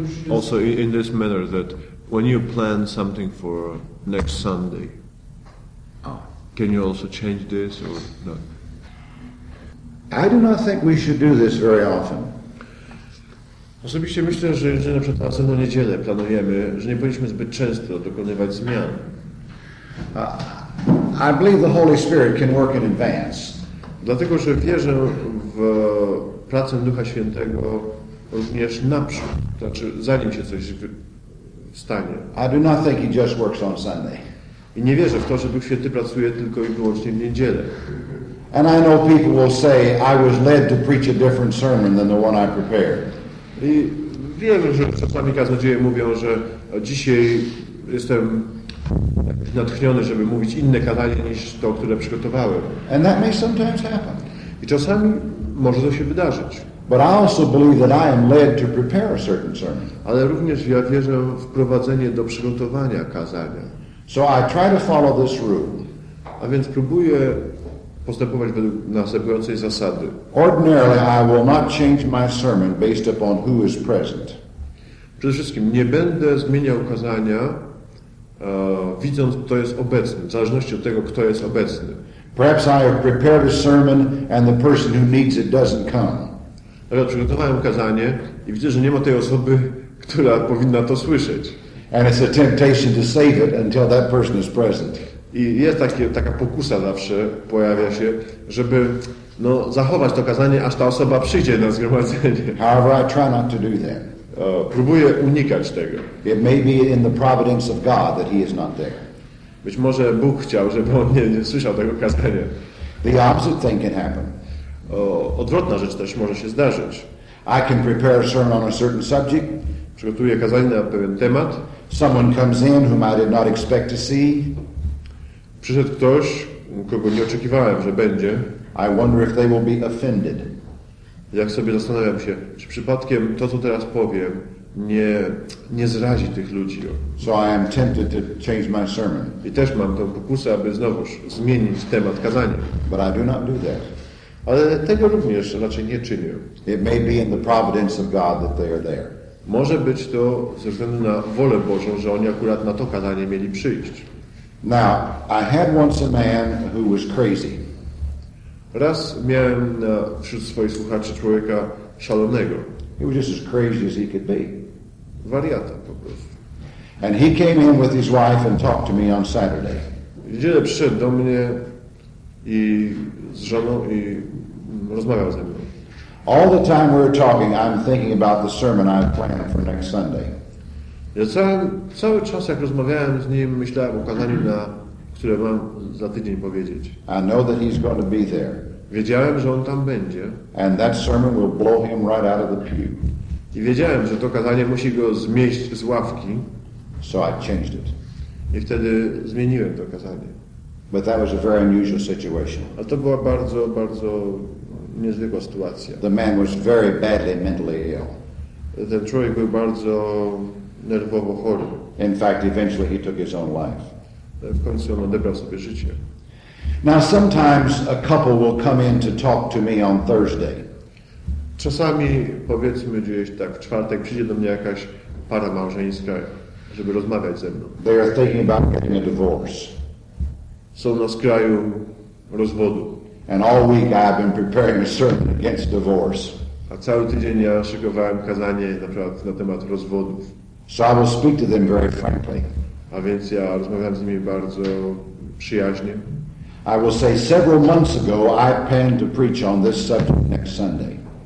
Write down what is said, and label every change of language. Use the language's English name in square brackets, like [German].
[English] Also in this manner that when you plan something for next Sunday, can you also change this or not? I do not think we should do this very often. [Polish] Osobiście myślę, że jeżeli na przykład następną niedzielę planujemy, że nie powinniśmy zbyt często dokonywać zmian. [English] I believe the Holy Spirit can work in advance. [Polish] Dlatego, że wierzę w pracę Ducha Świętego również naprzód, znaczy zanim się coś stanie. [English] I do not think he just works on Sunday. [Polish] I nie wierzę w to, że Duch Święty pracuje tylko i wyłącznie w niedzielę. [English] And I know people will say I was led to preach a different sermon than the one I prepared. [Polish] I wiem, że czasami kaznodzieje mówią, że dzisiaj jestem natchniony, żeby mówić inne kazanie niż to, które przygotowałem. [English] And that may sometimes happen. [Polish] I czasami może to się wydarzyć. [English] But I also believe that I am led to prepare a certain sermon. [Polish] Ale również ja wierzę w prowadzenie do przygotowania kazania. [English] So I try to follow this rule. [Polish] A więc próbuję postępować według następującej zasady. [English] Ordinarily I will not change my sermon based upon who is present. [Polish] Przede wszystkim nie będę zmieniał kazania, widząc kto jest obecny, w zależności od tego kto jest obecny. [English] Perhaps I have prepared a sermon and the person who needs it doesn't come. [Polish] Ale przygotowałem kazanie i widzę, że nie ma tej osoby, która powinna to słyszeć. [English] And it's a temptation to save it until that person is present. [Polish] I jest taka pokusa zawsze pojawia się, żeby no, zachować to kazanie, aż ta osoba przyjdzie na zgromadzenie. [English] However, I try not to do that. [Polish] Próbuję unikać tego. [English] It may be in the providence of God that he is not there. [Polish] Być może Bóg chciał, żeby on nie słyszał tego kazania. [English] The opposite thing can happen. [Polish] Odwrotna rzecz też może się zdarzyć. [English] I can prepare a sermon on a certain subject. [Polish] Przygotuję kazanie na pewien temat. [English] Someone comes in whom I did not expect to see. [Polish] Przyszedł ktoś, kogo nie oczekiwałem, że będzie. [English] I wonder if they will be offended. [Polish] Jak sobie zastanawiam się, czy przypadkiem to, co teraz powiem, nie zrazi tych ludzi. [English] So I am tempted to change my sermon. [Polish] I też mam tę pokusę, aby znowuż zmienić temat kazania. [English] But I do not do that. [Polish] Ale tego również raczej nie czynię. [English] It may be in the providence of God that they are there. [Polish] Może być to ze względu na wolę Bożą, że oni akurat na to kazanie mieli przyjść. [English] Now, I had once a man who was crazy. [Polish] Raz miałem wśród swoich słuchaczy człowieka szalonego. [English] He was just as crazy as he could be. [Polish] Wariata po prostu. [English] And he came in with his wife and talked to me on Saturday. [Polish] W niedzielę przyszedł do mnie i z żoną i rozmawiał ze mną. [English] All the time we were talking, I'm thinking about the sermon I planned for next Sunday. [Polish] Ja cały czas, jak rozmawiałem z nim, myślałem o kazaniu, które mam za tydzień powiedzieć. [English] I know that he's going to be there. [Polish] Wiedziałem, że on tam będzie. [English] And that sermon will blow him right out of the pew. [Polish] I wiedziałem, że to kazanie musi go zmieść z ławki. [English] So I changed it. [Polish] I wtedy zmieniłem to kazanie. [English] But that was a very unusual situation. [Polish] A to była bardzo, bardzo niezwykła sytuacja. [English] The man was very badly mentally ill. [Polish] Ten człowiek był bardzo nerwowo chory. [English] In fact, eventually he took his own life. [Polish] W końcu on odebrał sobie życie. [English] Now sometimes a couple will come in to talk to me on Thursday. [Polish] Czasami powiedzmy gdzieś tak w czwartek przyjdzie do mnie jakaś para małżeńska, żeby rozmawiać ze mną. [English] They are thinking about getting a divorce. [Polish] Są na skraju rozwodu. [English] And all week I've been preparing a sermon against divorce. [Polish] A cały tydzień ja szykowałem kazanie na przykład na temat rozwodów. [English] So I will speak to them very frankly. [Polish] A więc ja rozmawiam z nimi bardzo przyjaźnie. [English] I will say several months ago I planned to preach on this subject next Sunday.